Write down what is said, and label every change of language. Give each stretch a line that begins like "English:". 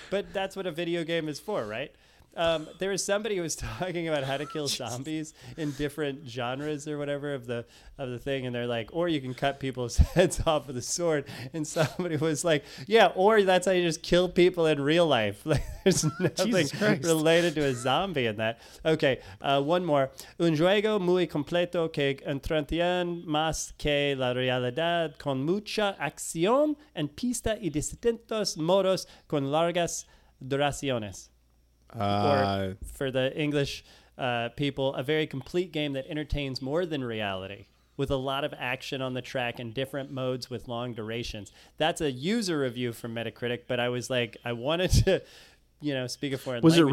English: But that's what a video game is for, right? There was somebody who was talking about how to kill zombies in different genres or whatever of the thing. And they're like, or you can cut people's heads off with a sword. And somebody was like, yeah, or that's how you just kill people in real life. Like, there's nothing related to a zombie in that. Okay, one more.
Spanish: Un juego muy completo que entretiene más que la realidad con mucha acción en pista y distintos modos con largas duraciones.
English: For the English people, a very complete game that entertains more than reality, with a lot of action on the track and different modes with long durations. That's a user review from Metacritic, but I was like, I wanted to, you know, speak a foreign language.